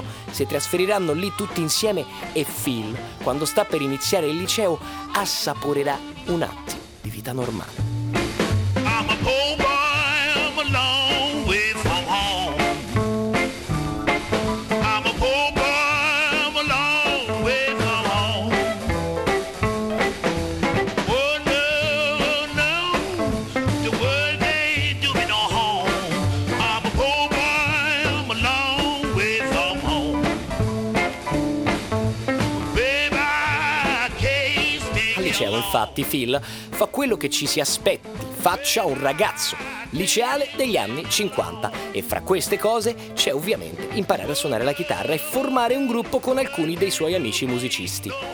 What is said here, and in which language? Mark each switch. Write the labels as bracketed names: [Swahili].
[Italian] Si trasferiranno lì tutti insieme e Phil, quando sta per iniziare il liceo, assaporerà un attimo di vita normale. [English] I'm a poor boy, I'm a long way from home. I'm a poor boy, I'm a long way from home. Oh no, oh no, the world ain't do me no home. I'm a poor boy, I'm a long way from home. Baby, I can't stay. [Italian] Al liceo, infatti, Phil fa quello che ci si aspetti faccia un ragazzo liceale degli anni 50, e fra queste cose c'è ovviamente imparare a suonare la chitarra e formare un gruppo con alcuni dei suoi amici musicisti.